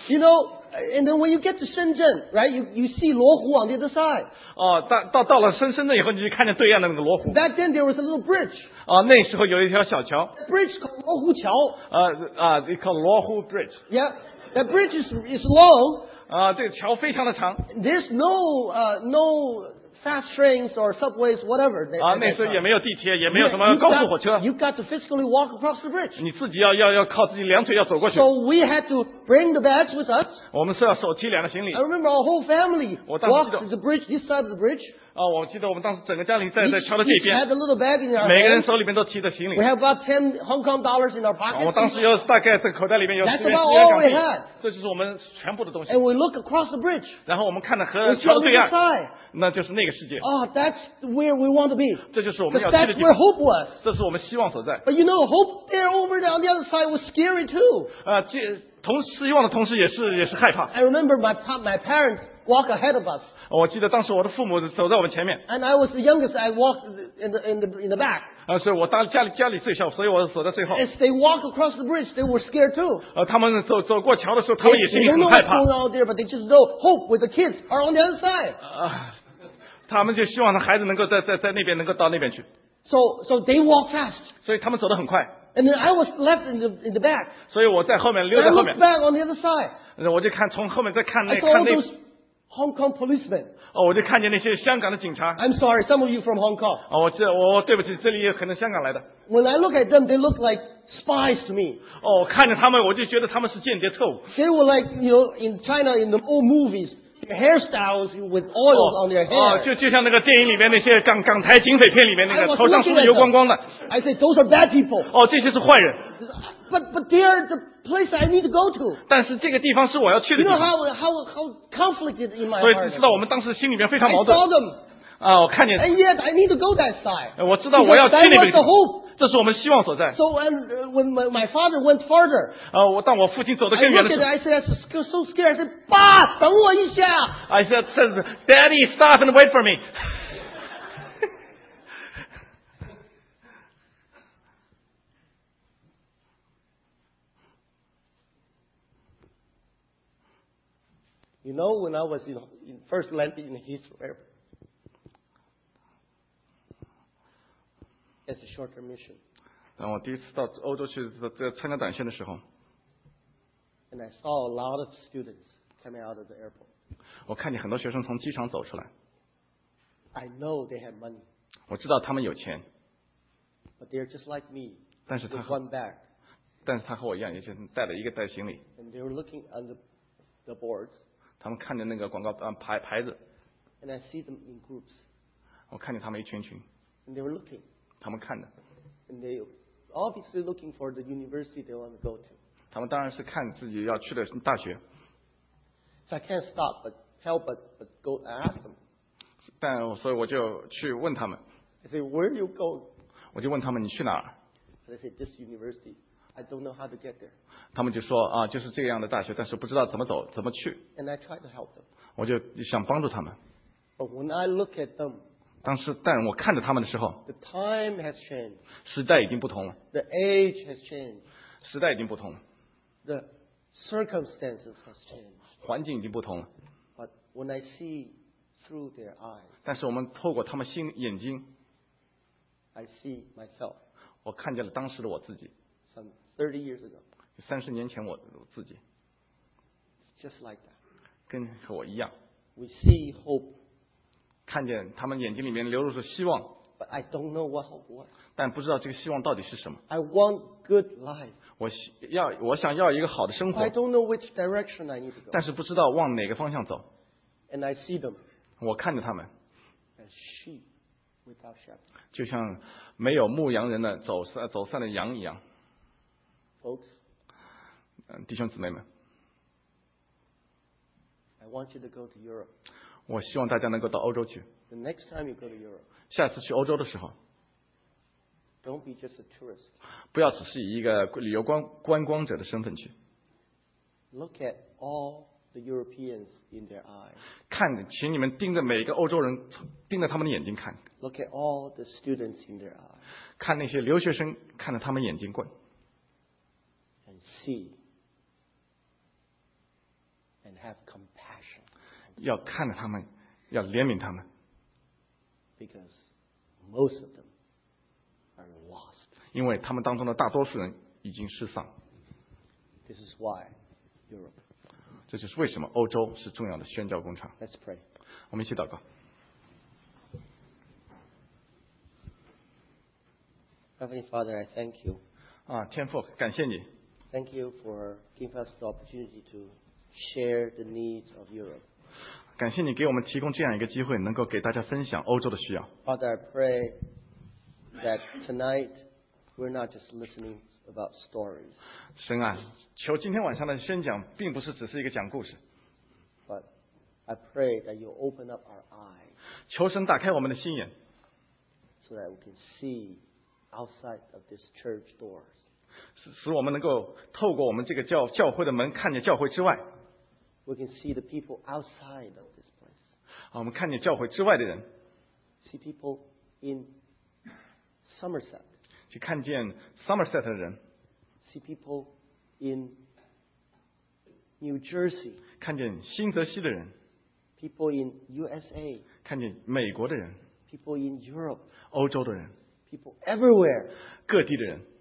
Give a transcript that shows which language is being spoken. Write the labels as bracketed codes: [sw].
[en] You know, and then when you get to Shenzhen, right, you see 罗湖 on the other side. [zh] 到了深圳以后，你就看见对岸的那个罗湖。 [en] That then there was a little bridge. [zh] 那时候有一条小桥。 [en] That bridge called 罗湖桥。 It called 罗湖 bridge. Yeah, that bridge is long. [zh] 这个桥非常的长。 [en] There's no fast trains or subways, whatever. [zh] 那时候也没有地铁，也没有什么高速火车。 [en] You've got to physically walk across the bridge. [zh] 你自己要靠自己两腿要走过去。 [en] So we had to bring the bags with us. [zh] 我们是要手提两个行李。 [en] I remember our whole family walked the bridge, this side of the bridge. [zh] 我记得我们当时整个家里在桥的这边。 [en] We had a little bag in our hand. [zh] 每个人手里面都提着行李。 [en] We have about 10 Hong Kong dollars in our pocket. [zh] 我当时有大概这个口袋里面有 [en] 10 Hong Kong dollars. That's about all we had. [zh] 这就是我们全部的东西。 [en] And we look across the bridge. [zh] 然后我们看着和桥对岸。那就是那个世界。 [en] That's where we want to be. [zh] 这就是我们要去的地方。 [en] That's where hope was. [zh] 这是我们希望所在。 [en] But you know, hope there over there on the other side was scary too. [zh] 希望的同时也是害怕。 [en] I remember my parents walk ahead of us. [zh] 我记得当时我的父母走在我们前面。 [en] And I was the youngest. I walked in the back. [zh] 所以我当家里最小，所以我走在最后。 [en] As they walk across the bridge, they were scared too. [zh] 他们走过桥的时候，他们也心里很害怕。 [en] They don't know what's going on there, but they just know hope with the kids are on the other side. [zh] 他们就希望孩子能够在那边能够到那边去。 [en] So they walk fast. [zh] 所以他们走得很快。 [en] And then I was left in the back. [zh] 所以我在后面溜在后面。 [en] I looked back on the other side. [zh] 我就看从后面再看那看那。 [en] I saw all those Hong Kong policemen. [zh] 哦，我就看见那些香港的警察。 [en] I'm sorry, some of you from Hong Kong. [zh] 哦，我对不起，这里也可能香港来的。 [en] When I look at them, they look like spies to me. [zh] 哦，看着他们，我就觉得他们是间谍特务。 [en] They were like, you know, in China, in the old movies, their hairstyles with oils on their hair. [zh] 哦，就像那个电影里面那些港台警匪片里面那个头上梳的油光光的。 [en] I said, those are bad people. [zh] 哦，这些是坏人。 [en] But they're the place I need to go to. [zh] 但是这个地方是我要去的地方。 [en] You know how conflicted in my heart. [zh] 所以你知道我们当时心里面非常矛盾。 [en] I saw them. [zh] 啊，我看见。 [en] And yet I need to go that side. [zh] 我知道我要去那边。 [en] That was the hope. [zh] 这是我们希望所在。 [en] So when my father went farther. [zh] 啊，当我父亲走得更远的时候。 [en] I said, I'm so scared. I said, [zh] 爸，等我一下。 [en] I said, Daddy, stop and wait for me. You know, when I was in first landing in Israel, as a shorter mission. [zh] 当我第一次到欧洲去参加短宣的时候， [en] and I saw a lot of students coming out of the airport. [zh] 我看见很多学生从机场走出来。 [en] I know they have money. [zh] 我知道他们有钱。 [en] But they are just like me. [zh] 但是他 [en] with one bag. [zh] 但是他和我一样，也是带了一个袋行李。 [en] And they were looking on the boards. [zh] 他们看见那个广告牌子 [en] and I see them in groups. [zh] 我看见他们一群群 [en] and they were looking. [zh] 他们看的 [en] and they obviously looking for the university they want to go to. [zh] 他们当然是看自己要去的大学 [en] so I can't stop but help but go and ask them. [zh] 但所以我就去问他们 [en] I say where you go. [zh] 我就问他们你去哪儿 [en] so they say this university I don't know how to get there. [zh] 他们就说啊，就是这样的大学，但是不知道怎么走，怎么去。 [en] And I tried to help them. [zh] 我就想帮助他们。 [en] But when I look at them, [zh] 但我看着他们的时候 [en] ，the time has changed. [zh] 时代已经不同了。 [en] The age has changed. [zh] 时代已经不同了。 [en] The circumstances has changed. [zh] 环境已经不同了。 [en] But when I see through their eyes, [zh] 但是我们透过他们心眼睛 [en] ，I see myself. [zh] 我看见了当时的我自己。 [en] 30 years ago. [zh] 30年前我自己。 [en] Just like that. [zh] 跟我一样。 [en] We see hope. [zh] 看见他们眼睛里面流露着希望。 [en] But I don't know what hope was. [zh] 但不知道这个希望到底是什么。 [en] I want good life. [zh] 我想要一个好的生活。 [en] I don't know which direction I need to go. [zh] 但是不知道往哪个方向走。 [en] And I see them. [zh] 我看着他们。 [en] As sheep without shepherd. [zh] 就像没有牧羊人的走散的羊一样。 [en] Folks, [zh] 弟兄姊妹们 [en] I want you to go to Europe. [zh] 我希望大家能够到欧洲去 [en] The next time you go to Europe, [zh] 下次去欧洲的时候 [en] Don't be just a tourist. [zh] 不要只是以一个旅游观光者的身份去 [en] Look at all the Europeans in their eyes. [zh] 看请你们盯着每一个欧洲人盯着他们的眼睛看 [en] Look at all the students in their eyes. [zh] 看那些留学生看着他们眼睛过 [en] And have compassion. [zh] 要看着他们，要怜悯他们。 [en] Because most of them are lost. [zh] 因为他们当中的大多数人已经失丧。 [en] This is why Europe. [zh] 这就是为什么欧洲是重要的宣教工厂。 [en] Let's pray. [zh] 我们一起祷告。 [en] Heavenly Father, I thank you. [zh] 啊，天父，感谢你。 [en] Thank you for giving us the opportunity to share the needs of Europe. [zh] 感谢你给我们提供这样一个机会，能够给大家分享欧洲的需要。 [en] Father, I pray that tonight we're not just listening about stories. [zh] 神啊，求今天晚上的宣讲并不是只是一个讲故事。 [en] But I pray that you open up our eyes. [zh] 求神打开我们的心眼。 [en] So that we can see outside of this church door. [zh] 使我们能够透过我们这个教会的门看见教会之外 [en] We can see the people outside of this place. [zh] 我们看见教会之外的人 [en] See people in Somerset. [zh] 去看见 Somerset 的人 [en] See people in New Jersey. [zh] 看见新泽西的人 [en] People in USA. [zh] 看见美国的人 [en] People in Europe. [zh] 欧洲的人 [en] People everywhere. [zh] 各地的人